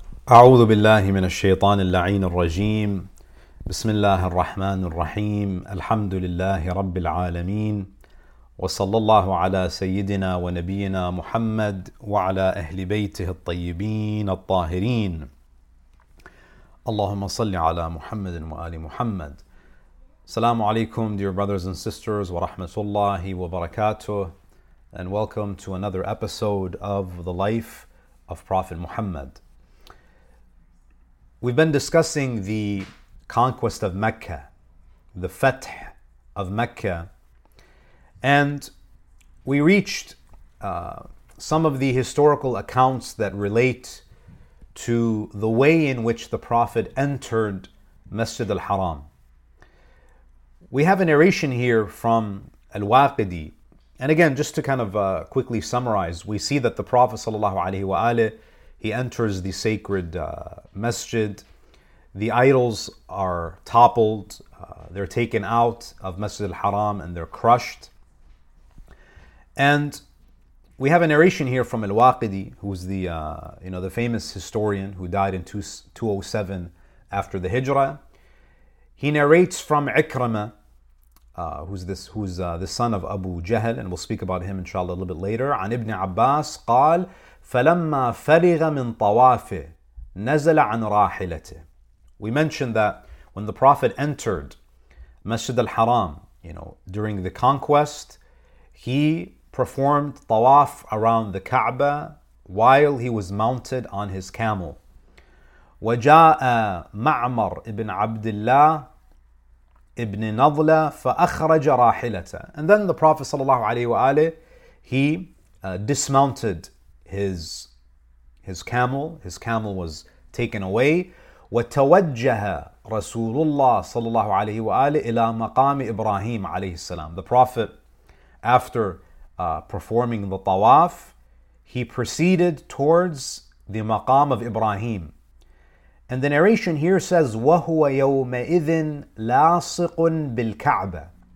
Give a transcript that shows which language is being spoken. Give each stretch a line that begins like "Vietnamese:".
Arabic: أعوذ بالله من الشيطان اللعين الرجيم بسم الله الرحمن الرحيم الحمد لله رب العالمين وصلى الله على سيدنا ونبينا محمد وعلى أهل بيته الطيبين الطاهرين اللهم صل على محمد وآل محمد السلام عليكم
English: dear brothers and sisters
Arabic: ورحمة الله وبركاته
English: and welcome to another episode of the life of Prophet Muhammad. We've been discussing the conquest of Mecca, the Fath of Mecca, and we reached some of the historical accounts that relate to the way in which the Prophet entered Masjid al-Haram. We have a narration here from Al-Waqidi, and again, just to kind of quickly summarize, we see that the Prophet sallallahu alaihi wa alihi, he enters the sacred masjid. The idols are toppled. They're taken out of Masjid al-Haram and they're crushed. And we have a narration here from Al-Waqidi, who's the famous historian who died in 207 after the Hijrah. He narrates from Ikrimah, who's the son of Abu Jahl, and we'll speak about him inshallah a little bit later.
Arabic: An Ibn Abbas qal, فَلَمَّا فَرِغَ مِن طَوَافِهِ نَزَلَ عَن رَاحِلَتِهِ.
English: We mentioned that when the Prophet entered Masjid al-Haram, you know, during the conquest, he performed tawaf around the Kaaba while he was mounted on his camel.
Arabic: وَجَاءَ مَعْمَرْ ibn Abdullah ibn نَضْلَ فَأَخْرَجَ رَاحِلَتَهِ.
English: And then the Prophet sallallahu alayhi wa alayhi, he dismounted his camel was taken away.
Arabic: وتوجه رسول الله صلى الله عليه وآله إلى مقام إبراهيم عليه السلام.
English: The Prophet, after performing the tawaf, he proceeded towards the maqam of Ibrahim. And the narration here says,
Arabic: وهو يومئذ لاصق بالكعبة.